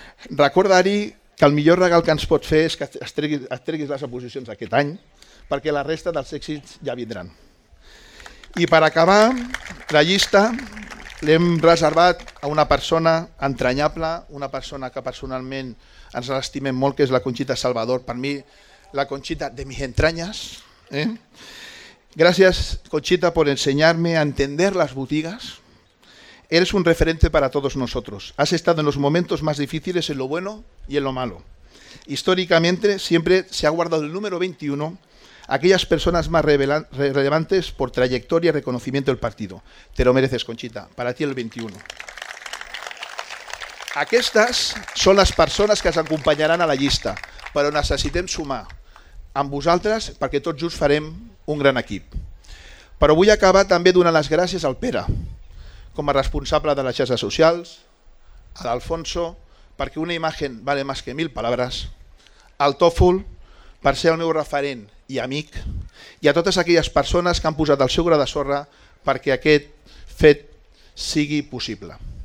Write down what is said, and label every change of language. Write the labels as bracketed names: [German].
[Catalan] Recordar-hi que el millor regal que ens pot fer és que es treguis les oposicions aquest any, perquè la resta dels èxits ja vindran. I per acabar, la llista l'hem reservat a una persona entranyable, una persona que personalment ens l'estimem molt, que és la Conxita Salvador. Per mi, la Conxita [Spanish] de mis entrañas. [Catalan] Gràcies, Conxita, per ensenyar-me a [Spanish] entender [Catalan] les botigues. [Spanish] Eres un referente para todos nosotros. Has estado en los momentos más difíciles, en lo bueno y en lo malo. Históricamente siempre se ha guardado el número 21, aquellas personas más relevantes por trayectoria y reconocimiento del partido. Te lo mereces, Conxita. Para ti el 21. [Catalan] Aquestes són les persones que s'acompanyaran a la llista, però necessitem sumar amb vosaltres perquè tots junts farem un gran equip. Però vull acabar també donant les gràcies al Pere, com a responsable de les xarxes socials, a l'Alfonso, perquè una imatge vale més que mil paraules, al Tòfol, per ser el meu referent i amic, i a totes aquelles persones que han posat el seu gra de sorra perquè aquest fet sigui possible.